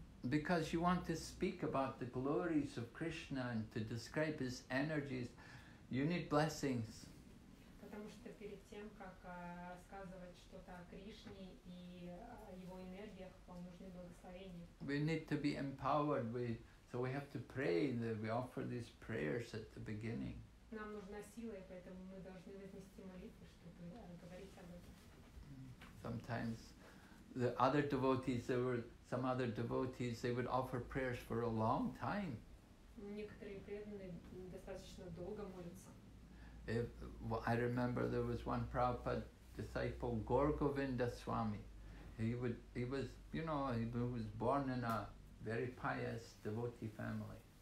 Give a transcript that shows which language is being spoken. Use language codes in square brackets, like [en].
[en] Because you want to speak about the glories of Krishna and to describe his energies, you need blessings. [ru] Потому что перед тем, как рассказывать что-то о Кришне и его энергиях, вам нужны благословения. [en] We need to be empowered. So we have to pray that we offer these prayers at the beginning. [ru] Нам нужна сила, и поэтому мы должны вознести молитвы, чтобы говорить об этом. [en] Sometimes the other devotees, there were some other devotees, they would offer prayers for a long time. [ru] Некоторые преданные достаточно долго молятся. [en] I remember there was one Prabhupada disciple, Gorgovinda Swami. He was born in a very pious devotee family.